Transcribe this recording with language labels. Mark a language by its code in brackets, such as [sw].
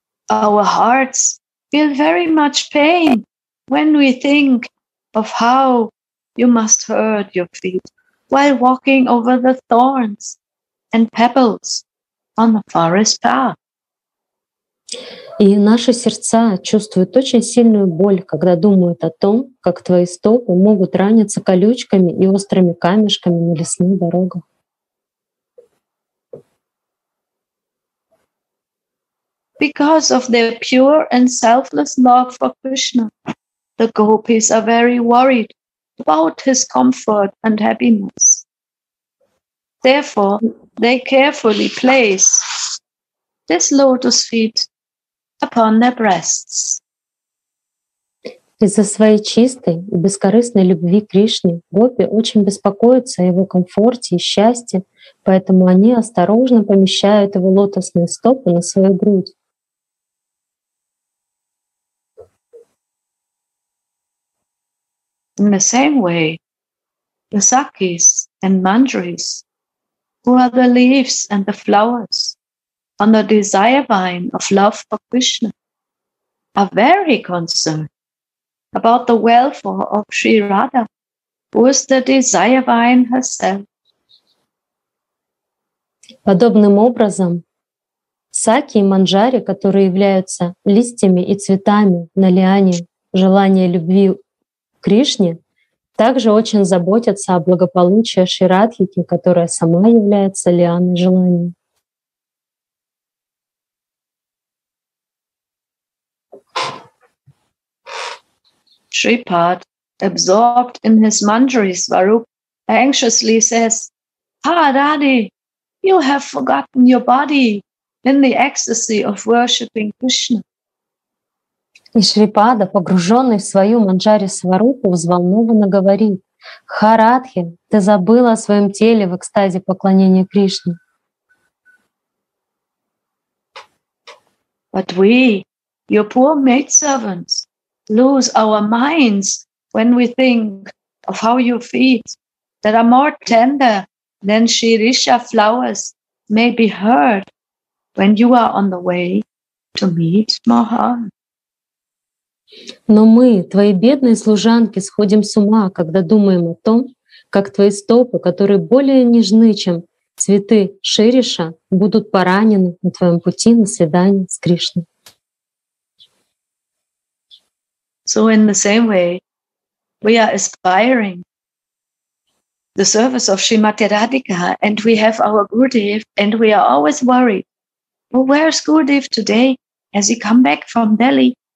[en] Our hearts feel very much pain when we think of how you must hurt your feet while walking over the thorns and pebbles on the forest path. [ru] И наши сердца чувствуют очень сильную боль, когда думают о том, как твои стопы могут раниться колючками и острыми камешками на лесных дорогах. [en] Because of their pure and selfless love for Krishna, the gopis are very worried about his comfort and happiness. Therefore, they carefully place this lotus feet upon their breasts. [ru] Из-за своей чистой и бескорыстной любви к Кришне гопи очень беспокоятся о его комфорте и счастье, поэтому они осторожно помещают его лотосные стопы на свою грудь. [en] In the same way, the sakis and mandris, who are the leaves and the flowers on the desire vine of love for Krishna, are very concerned about the welfare of Sri Radha, who is the desire vine herself. [ru] Подобным образом, саки и манджари, которые являются листьями и цветами на лиане желания любви Кришне, также очень заботятся о благополучии Шри Радхики, которая сама является лианой желания. [en] Shripad, absorbed in his mandri swarup, anxiously says, Radhi, you have forgotten your body in the ecstasy of worshipping Krishna. [ru] И Шрипада, погруженный в свою манджари-сварупу, взволнованно говорит: «Ха, Радхи, ты забыла о своем теле в экстазе поклонения Кришне». [en] But we, your poor maidservants, lose our minds when we think of how your feet, that are more tender than Shirisha flowers, may be hurt when you are on the way to meet Mohan. [ru] Но мы, твои бедные служанки, сходим с ума, когда думаем о том, как твои стопы, которые более нежны, чем цветы Шириша, будут поранены на твоем пути на свидание с Кришной. [en] So in the same way, we are aspiring the service of Srimati Radhika, and we have our Gurudev, and we are always worried. Well, where's Gurudev today? Has he come back from Delhi?